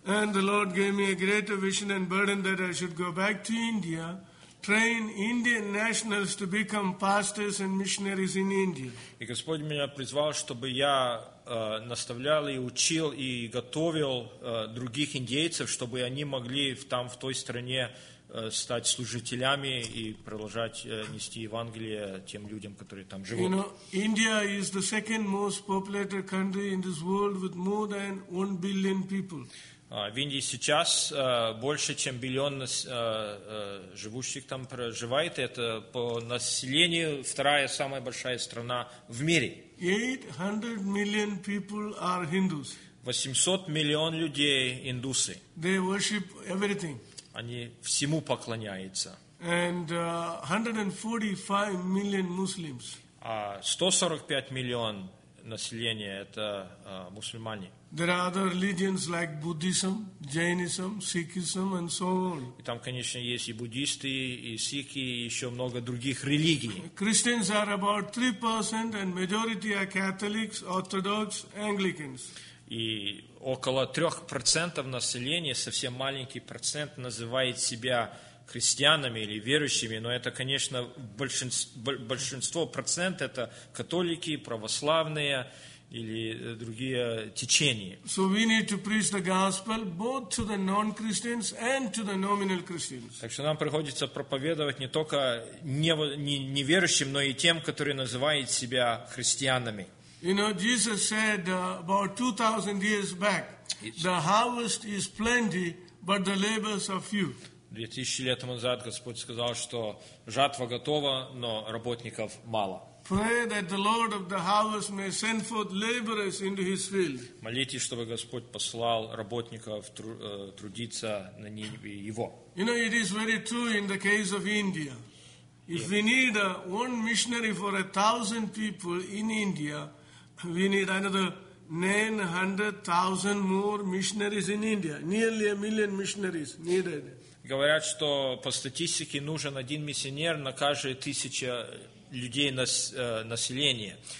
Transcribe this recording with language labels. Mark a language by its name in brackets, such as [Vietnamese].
[English] And the Lord gave me a greater vision and burden that I should go back to India, train Indian nationals to become pastors and missionaries in India. [Russian] И Господь меня призвал, чтобы я наставлял и учил и готовил других индейцев, чтобы они могли там в той стране стать служителями и продолжать нести Евангелие тем людям, которые там живут. [English] You know, India is the second most populated country in this world with more than 1 billion people. [Russian] В Индии сейчас больше, чем миллион живущих там проживает. Это по населению вторая самая большая страна в мире. [English] 800 million people are Hindus. [Russian] 800 миллион людей индусы. [English] They worship everything. [Russian] Они всему поклоняются. [English] And 145 million Muslims. [Russian] А 145 миллион населения это мусульмане. [English] There are other religions like Buddhism, Jainism, Sikhism, and so on. [Russian] И там, конечно, есть и буддисты, и сикхи, и еще много других религий. [English] Christians are about 3%, and majority are Catholics, Orthodox, Anglicans. [Russian] И около 3% населения, совсем маленький процент, называет себя христианами или верующими, но это, конечно, большинство процент это католики, православные или другие течения. [English] So we need to preach the gospel both to the non-Christians and to the nominal Christians. [Russian] Так что нам приходится проповедовать не только неверующим, но и тем, которые называют себя христианами. [English] You know, Jesus said about 2,000 years back, the harvest is plenty, but the laborers are few. [Russian] 2000 лет назад Господь сказал, что жатва готова, но работников мало. [English] Pray that the Lord of the harvest may send forth laborers into his field. [Russian] Молитесь, чтобы Господь послал работников трудиться на Ниневе его. [English] You know, it is very true in the case of India. If we need one missionary for 1,000 people in India, we need another 900,000 more missionaries in India. Nearly a million missionaries needed. [Russian] Говорят, что по статистике нужен один миссионер на каждые 1000 людей населения.